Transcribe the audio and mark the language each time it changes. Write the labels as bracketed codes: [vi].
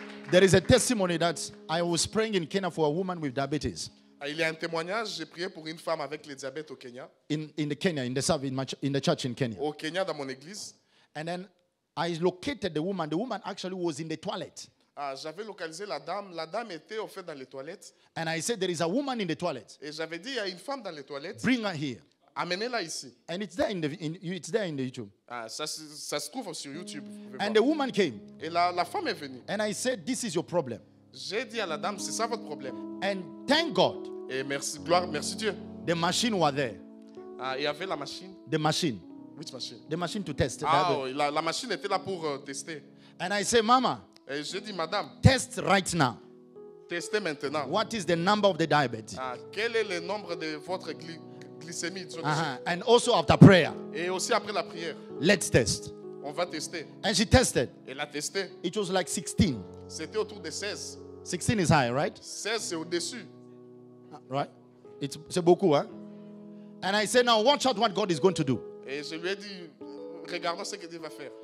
[en] There is a testimony that I was praying in Kenya for a woman with diabetes. [fr] Il y a un témoignage, j'ai prié pour une femme avec le diabète au Kenya. [en] In the church in Kenya. [fr] Au Kenya, dans mon église. [en] And then I located the woman. The woman actually was in the toilet. [fr] J'avais localisé la dame. La dame était au fait dans les toilettes. [en] And I said, there is a woman in the toilet. [fr] Et j'avais dit, il y a une femme dans les toilettes. [en] Bring her here. [fr] Amenez-la ici. [en] And it's there in the YouTube. [fr] Ça se trouve sur YouTube. [en] And the woman came. [fr] Et la femme est venue. [en] And I said, this is your problem. [fr] J'ai dit à la dame, c'est ça votre problème. [en] And thank God. [fr] Et merci, gloire, merci Dieu. [en] The machine was there. [fr] Il y avait la machine. [en] The machine. Which machine? The machine to test. [fr] La machine était là pour tester. [en] And I said, Mama. [fr] Et j'ai dit, Madame. [en] Test right now. [fr] Testez maintenant. [en] What is the number of the diabetes? [fr] Quel est le nombre de votre glycémie? [en] And also after prayer. [fr] Et aussi après la prière. [en] Let's test. [fr] On va tester. [en] And she tested. [fr] Elle a testé. [en] It was like 16. [fr] C'était autour de 16. [en] 16 is high, right? [fr] 16, c'est au-dessus. [en] Right? [fr] C'est beaucoup, hein? [en] And I said, now watch out what God is going to do. [fr] Et je lui ai dit, regardons ce que Dieu va faire.